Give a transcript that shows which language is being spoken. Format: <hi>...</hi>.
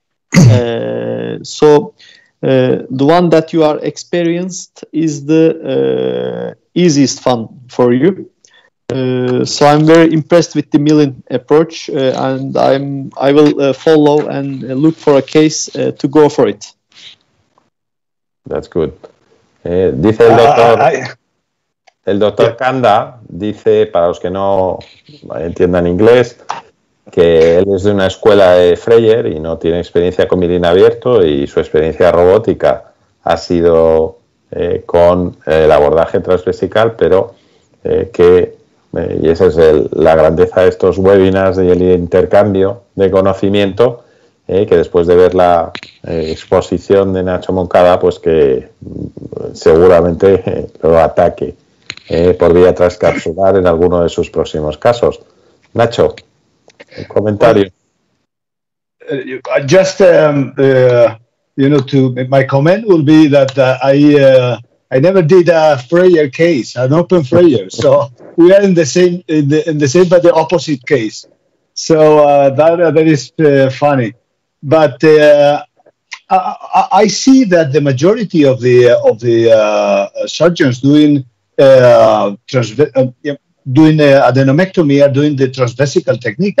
<en>The one that you are experienced is the easiest one for you. So I'm very impressed with the Millen approach, and I will follow and look for a case to go for it. That's good.</en> <es>Dice el doctor. El doctor Kanda dice, para los que no entiendan inglés, que él es de una escuela de Freyer y no tiene experiencia con Millen abierto, y su experiencia robótica ha sido con el abordaje transvesical, pero que y esa es la grandeza de estos webinars y el intercambio de conocimiento, que después de ver la exposición de Nacho Moncada, pues que seguramente lo ataque por vía transcapsular en alguno de sus próximos casos. Nacho, un comentario.</es> <en>Just you know, to my comment will be that I never did a Freyer case, an open Freyer. So we are in the same but the opposite case. So that is funny. But I see that the majority of the surgeons doing adenomectomy are doing the transvesical technique.</en>